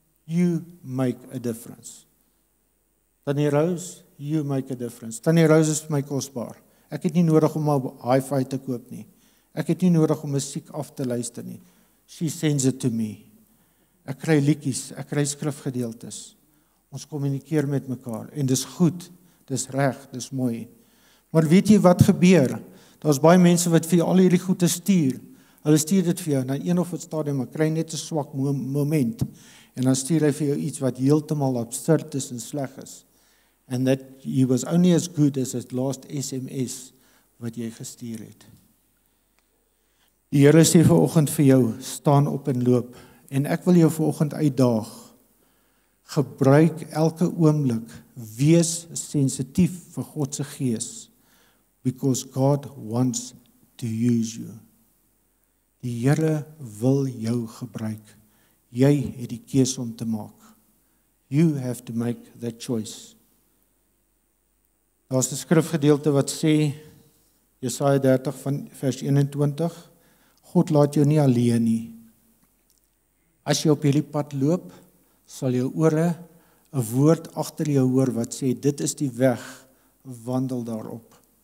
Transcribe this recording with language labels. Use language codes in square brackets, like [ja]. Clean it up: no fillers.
[en] you make a difference. Tannie Rose, you make a difference. [af] Tannie Rose is my kostbaar. Ek het nie nodig om 'n hi-fi te koop nie. Ek het nie nodig om musiek af te luister nie. [en] She sends it to me. [af] Ek kry liedjies, ek kry skrifgedeeltes. Ons communiceer met mekaar en dis goed, dis reg, dis mooi. Maar weet jy wat gebeur? Daar is baie mense wat vir al hierdie goede stuur. Hulle stuur dit vir jou na een of het stadium, maar kry net 'n swak moment. En dan stuur hy vir jou iets wat heeltemal absurd is en sleg is. [en] And that he was only as good as his last SMS [af] wat jy gestuur het. Die Here sê vanoggend vir jou, staan op en loop. En ek wil jou vanoggend uitdaag. Gebruik elke oomblik, wees sensitief vir God se gees. [en] Because God wants to use you. [af] Die Here wil jou gebruik. Jy het die keus om te maak. [en] You have to make that choice. [af] Daar is een skrifgedeelte wat sê, Jesaja 30 van vers 21, God laat jou nie alleen nie. As jy op hierdie pad loop, sal jou ore een woord achter jou hoor wat sê, dit is die weg, wandel daarop.